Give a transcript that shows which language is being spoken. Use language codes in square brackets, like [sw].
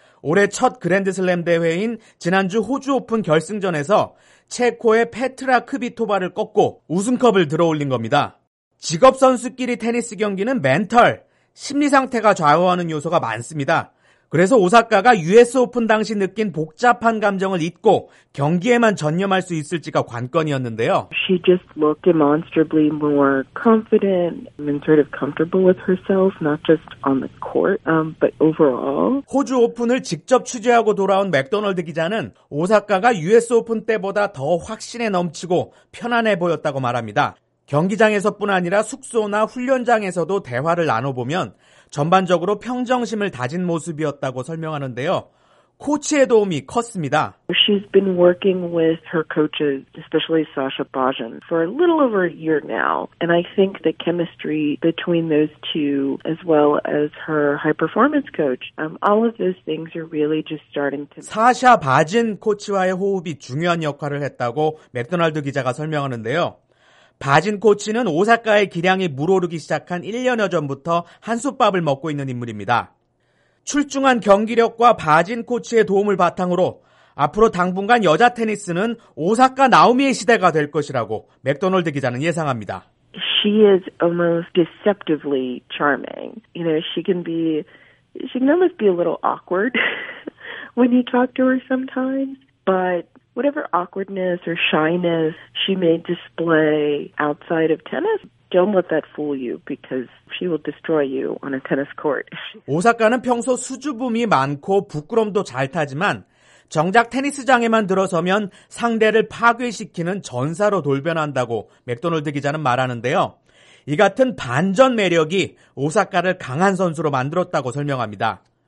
[ko] 올해 첫 그랜드슬램 대회인 지난주 호주 오픈 결승전에서 체코의 페트라 크비토바를 꺾고 우승컵을 들어올린 겁니다. 직업선수끼리 테니스 경기는 멘탈, 심리상태가 좌우하는 요소가 많습니다. 그래서 오사카가 US 오픈 당시 느낀 복잡한 감정을 잊고 경기에만 전념할 수 있을지가 관건이었는데요. [en] She just looked demonstrably more confident and sort of comfortable with herself, not just on the court, but overall. [ko] 호주 오픈을 직접 취재하고 돌아온 맥도널드 기자는 오사카가 US 오픈 때보다 더 확신에 넘치고 편안해 보였다고 말합니다. 경기장에서뿐 아니라 숙소나 훈련장에서도 대화를 나눠보면 전반적으로 평정심을 다진 모습이었다고 설명하는데요. 코치의 도움이 컸습니다. [en] She's been working with her coaches, especially Sasha Bajan, for a little over a year now. And I think the chemistry between those two, as well as her high performance coach, all of those things are really just starting to. [ko] 사샤 바진 코치와의 호흡이 중요한 역할을 했다고 맥도날드 기자가 설명하는데요. 바진 코치는 오사카의 기량이 물오르기 시작한 1년여 전부터 한솥밥을 먹고 있는 인물입니다. 출중한 경기력과 바진 코치의 도움을 바탕으로 앞으로 당분간 여자 테니스는 오사카 나오미의 시대가 될 것이라고 맥도널드 기자는 예상합니다. [en] She is almost deceptively charming. You know, she can almost be a little awkward when you talk to her sometimes, but whatever awkwardness or shyness she may display outside of tennis, don't let that fool you because she will destroy you on a tennis court. [ko] 오사카는 평소 수줍음이 많고 부끄럼도 잘 타지만 정작 테니스장에만 들어서면 상대를 파괴시키는 전사로 돌변한다고 맥도널드 기자는 말하는데요. 이 같은 반전 매력이 오사카를 강한 선수로 만들었다고 설명합니다.